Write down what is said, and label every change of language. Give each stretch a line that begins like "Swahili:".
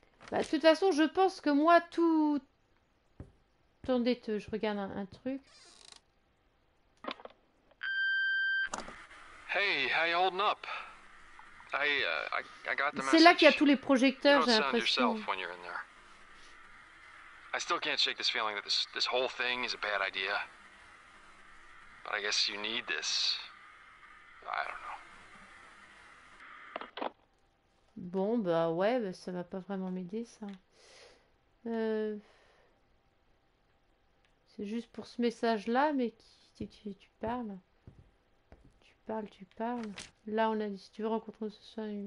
French: Bah, de toute façon, je pense que moi, tout... Attendez, je regarde un truc.
English: Hey, how you holding up? Hey, I got the message.
French: C'est là qu'il y a tous les projecteurs, j'ai l'impression.
English: You don't sound yourself when you're in there. I still can't shake this feeling that this whole thing is a bad idea. But I guess you need this. I don't know.
French: Bon, bah ouais, bah ça va pas vraiment m'aider, ça. C'est juste pour ce message-là, mais tu parles. Tu parles. Là, on a dit, si tu veux rencontrer ce soir...